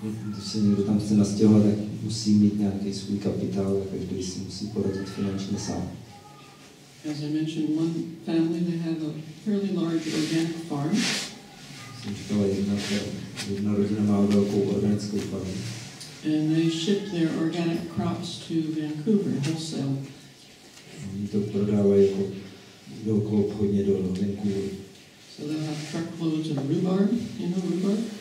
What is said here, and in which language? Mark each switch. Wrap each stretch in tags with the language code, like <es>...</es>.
<cs>Když se někdo tam chce nastěhovat, tak musí mít nějaký svůj kapitál, a každý si musí poradit finančně sám.</cs> <en>As I mentioned, one family, they have a fairly large organic farm.</en> <cs>Jsem říkala, jedna rodina má velkou organickou farmu.</cs> <en>And they ship their organic crops to Vancouver wholesale.</en> <cs>Oni to prodávají jako velkou obchodně do Vancouver.</cs> <en>So they have truckloads of rhubarb, you know rhubarb?</en>